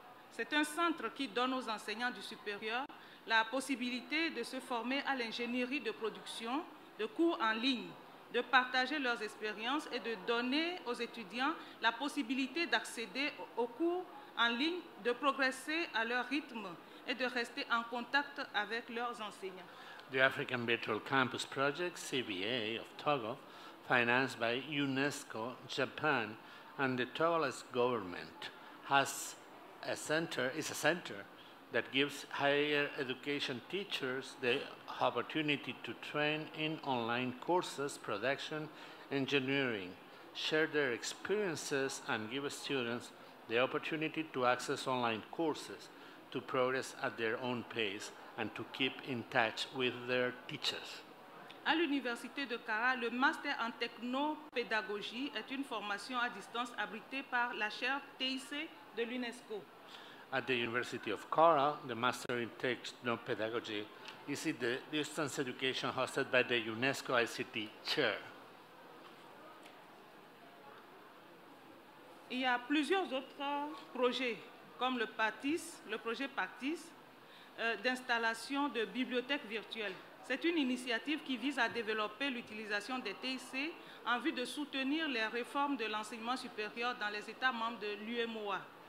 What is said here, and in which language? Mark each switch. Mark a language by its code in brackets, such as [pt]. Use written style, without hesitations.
[fr] C'est un centre qui donne aux enseignants du supérieur la possibilité de se former à l'ingénierie de production, de cours en ligne, de partager leurs expériences et de donner aux étudiants la possibilité d'accéder aux cours en ligne, de progresser à leur rythme et de rester en contact avec leurs enseignants. [en] The African Virtual Campus Project, CVA, of Togo, financed by UNESCO, Japan, and the Togolese government, is a center that gives higher education teachers the opportunity to train in online courses, production, engineering, share their experiences, and give students the opportunity to access online courses, to progress at their own pace, and to keep in touch with their teachers. [fr] À l'Université de Kara, le Master en Technopédagogie est une formation à distance abritée par la chaire TIC de l'UNESCO. [en] At the University of Kara, the Master in Technopedagogy is in the distance education hosted by the UNESCO ICT chair. [fr] Il y a plusieurs autres projets, comme le PATIS, le projet PATIS, d'installation de bibliothèques virtuelles. C'est une initiative qui vise à développer l'utilisation des TIC en vue de soutenir les réformes de l'enseignement supérieur dans les États membres de l'UMOA.